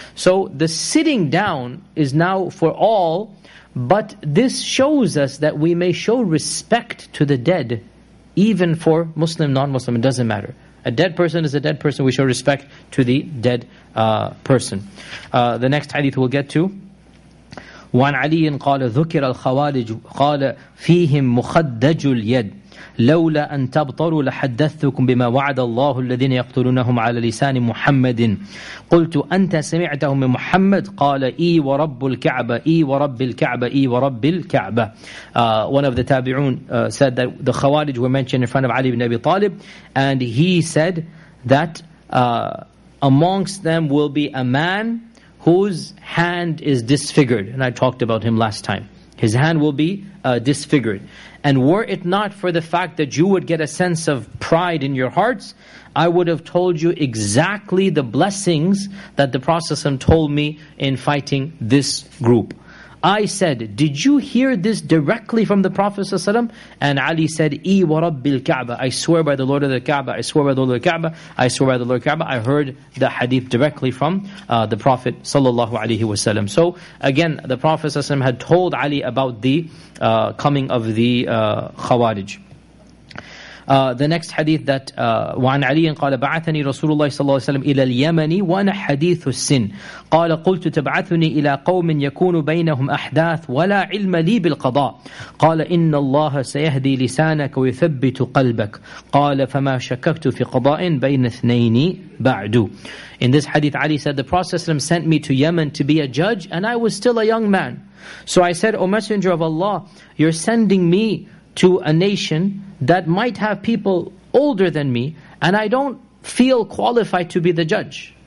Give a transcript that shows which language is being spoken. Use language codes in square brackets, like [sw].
[en] So the sitting down is now for all, but this shows us that we may show respect to the dead, even for Muslim, non-Muslim, it doesn't matter. A dead person is a dead person, we show respect to the dead person. The next hadith we'll get to, [ar] وعن علي قال ذكر الخوارج قال فيهم مخدج اليد لولا أن تبطروا لحدثتكم بما وعد الله الذين يقتلونهم على لسان محمد قلت أنت سمعتهم من محمد قال إي ورب الكعبة إي ورب الكعبة إي ورب الكعبة. [en] One of the tabi'un said that the khawarij were mentioned in front of Ali ibn Abi Talib, and he said that amongst them will be a man whose hand is disfigured. And I talked about him last time. His hand will be disfigured. And were it not for the fact that you would get a sense of pride in your hearts, I would have told you exactly the blessings that the Prophet ﷺ told me in fighting this group. I said, did you hear this directly from the Prophet ﷺ? And Ali said, [ar] "E wa Rabbil Kaaba, [en] I swear by the Lord of the Kaaba, I swear by the Lord of the Kaaba, I swear by the Lord of the Kaaba." I heard the hadith directly from the Prophet ﷺ. So again, the Prophet ﷺ had told Ali about the coming of the Khawarij. The next hadith that [ar] وعن علي قال بعثني رسول الله صلى الله عليه وسلم إلى اليمن وأنا حديث السن قال قلت تبعثني إلى قوم يكون بينهم أحداث ولا علم لي بالقضاء قال إن الله سيهدي لسانك ويثبت قلبك قال فما شككت في قضاء بين اثنين بعد. [en] In this hadith, Ali said, the Prophet ﷺ sent me to Yemen to be a judge, and I was still a young man. So I said, O Messenger of Allah, you're sending me to a nation that might have people older than me, and I don't feel qualified to be the judge.